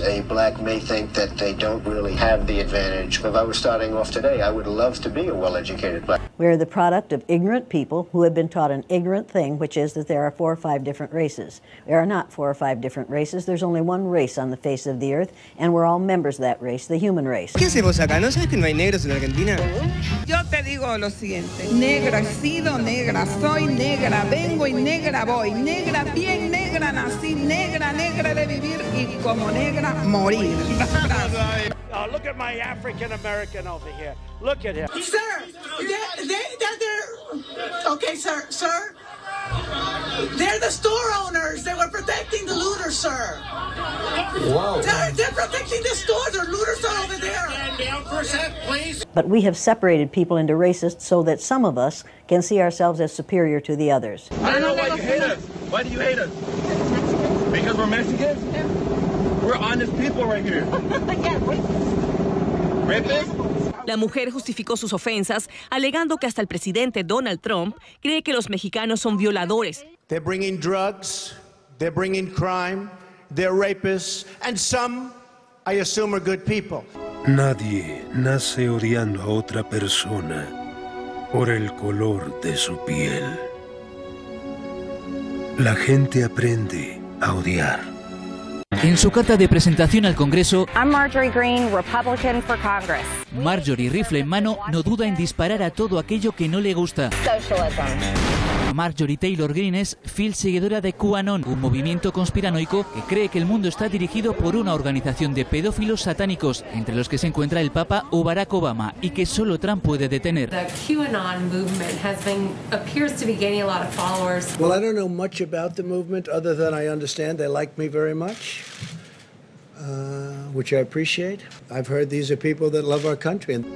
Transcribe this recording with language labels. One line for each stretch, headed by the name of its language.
English: A black may think that they don't really have the advantage. If I were starting off today, I would love to be a well-educated black. We are the product of ignorant people who have been taught an ignorant thing, which is that there are four or five different races. There are not four or five different races. There's only one race on the face of the earth, and we're all members of that race, the human race.
Spanish: ¿Qué haces vos acá? ¿No sabes que no hay negros en Argentina? Yo te digo lo siguiente. Negra he sido, negra soy, negra vengo y negra voy. Negra bien, negra nací, negra, negra de vivir y como negra morir.
English: Look at my African-American over here. Look at him. Sir, they're... Okay, sir. They're the store owners. They were protecting the looters, sir. Wow. They're protecting the store. The looters are over there. Down for a sec, please. But we have separated people into racists so that some of us can see ourselves as superior to the others. I don't know why you hate us. Why do you hate us? Because we're Mexicans? We're honest people right here. Yeah, racist.
Spanish: La mujer justificó sus ofensas alegando que hasta el presidente Donald Trump cree que los mexicanos son violadores.
English: They're bringing drugs, they're bringing crime, they're rapists, and some, I assume, are good people.
Spanish: Nadie nace odiando a otra persona por el color de su piel. La gente aprende a odiar. En su carta de presentación al Congreso,
English: I'm Marjorie Greene, Republican for Congress.
Spanish: Marjorie, rifle en mano, no duda en disparar a todo aquello que no le gusta.
English: Socialism.
Spanish: Marjorie Taylor Greene es fiel seguidora de QAnon, un movimiento conspiranoico que cree que el mundo está dirigido por una organización de pedófilos satánicos, entre los que se encuentra el Papa o Barack Obama, y que solo Trump puede detener.
English: The QAnon movement has been, appears to be gaining a lot of followers. Well, I don't know much about the movement other than I understand they like me very much. Which I appreciate. I've heard these are people that love our country.